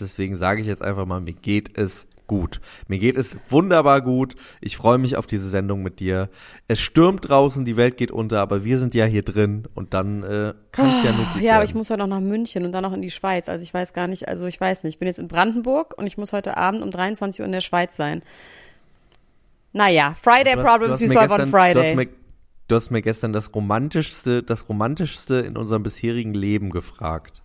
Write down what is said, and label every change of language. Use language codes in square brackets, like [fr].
[de] Deswegen sage ich jetzt einfach mal, mir geht es gut. Mir geht es wunderbar gut. Ich freue mich auf diese Sendung mit dir. Es stürmt draußen, die Welt geht unter, aber wir sind ja hier drin und dann kann es ja nur gut werden. Ja, aber ich muss heute noch nach München und dann noch in die Schweiz. Also ich weiß nicht. Ich bin jetzt in Brandenburg und ich muss heute Abend um 23 Uhr in der Schweiz sein. Naja, [en] Friday Problems, you solve on Friday. [de] Du hast mir gestern das Romantischste in unserem bisherigen Leben gefragt.